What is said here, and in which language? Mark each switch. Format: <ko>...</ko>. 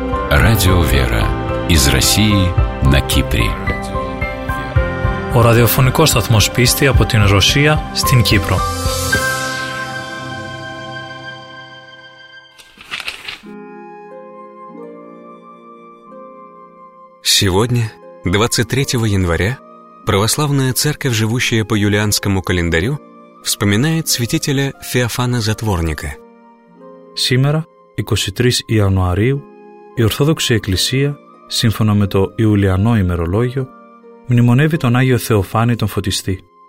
<ru>Радио «Вера» из России на Кипре.</ru> <el>Ο ραδιοφωνικός σταθμός πίστη από την Ρωσία στην Κύπρο.</el> <ru>Сегодня, 23 января, православная церковь, живущая по юлианскому календарю, вспоминает святителя Феофана Затворника. Сегодня, 23 января,</ru> <el>η Ορθόδοξη Εκκλησία, σύμφωνα με το Ιουλιανό ημερολόγιο, μνημονεύει τον Άγιο Θεοφάνη τον Φωτιστή.</el>